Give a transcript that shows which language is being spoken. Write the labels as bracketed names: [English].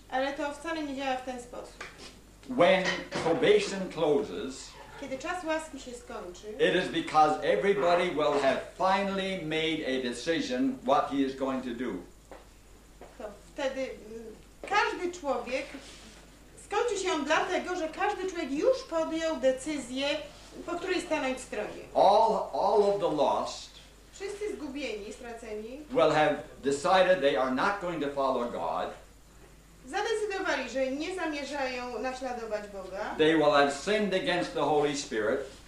[Polish] Ale to wcale nie działa w ten sposób. [English] When probation closes, [Polish] kiedy czas łaski się skończy, [English] it is because everybody will have finally made a decision what he is going to do. [Polish] To wtedy każdy człowiek kończy się on dlatego, że każdy człowiek już podjął decyzję, po której stanąć w stronie. [English] All of the lost, [Polish] wszyscy zgubieni, straceni, [English] will have decided they are not going to follow God. [Polish] Zadecydowali, że nie zamierzają naśladować Boga. [English] They will have sinned against the Holy Spirit.